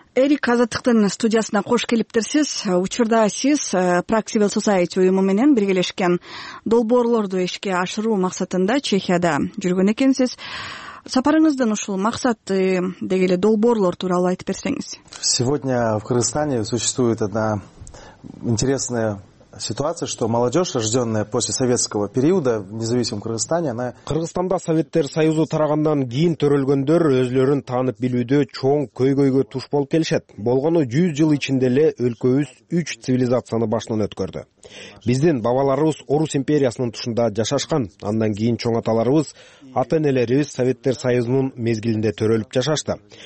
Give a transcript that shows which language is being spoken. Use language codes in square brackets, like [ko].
[ky] Эрик, Азаттыктын студиясына кош келиптирсиз. Учурда сиз Prague Civil Society уюму менен биргелешкен долбоорлорду ишке ашыруу максатында Чехияда жүргөн экенсиз. Сапарыңыздын ушул максаты деги эле долбоорлор тууралуу айтып берсеңиз. [ru] Сегодня в Кыргызстане существует одна интересная ситуация, что молодежь, рожденная после советского периода в независимом Кыргызстане, она... [ky] Кыргызстанда Советтер Союзу тарагандан кийин төрөлгөндөр өзлөрүн таанып билүүдө чоң көйгөйгө туш болуп келишет. Болгону 100 жыл ичинде эле өлкөбүз 3 цивилизацияны башынан өткөрдү. Биздин бабаларыбыз Орус империясынын тушунда жашашкан, андан кийин чоң аталарыбыз, ата-энелерибиз Советтер Союзунун мезгилинде төрөлүп жашашты.